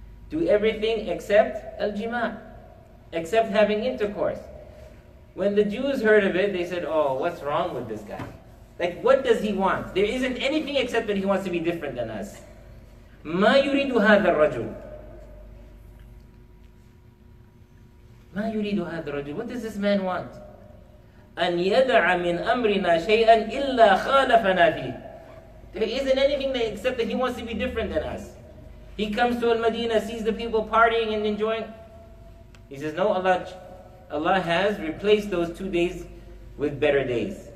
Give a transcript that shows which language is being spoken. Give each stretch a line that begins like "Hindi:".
English: Do everything except al-jima', except having intercourse. When the Jews heard of it, they said, oh, what's wrong with this guy? Like, what does he want? There isn't anything except that he wants to be different than us.
Arabic: مَا يُرِيدُ هَذَا الرَّجُلُ مَا يُرِيدُ هَذَا الرَّجُلُ
English: What does this man want?
Arabic: أَنْ يَدْعَ مِنْ أَمْرِنَا شَيْئًا إِلَّا خَالَفَنَا فِيهِ
English: There isn't anything that, except that he wants to be different than us. He comes to Al-Madinah, sees the people partying and enjoying. He says, no, Allah has replaced those 2 days with better days.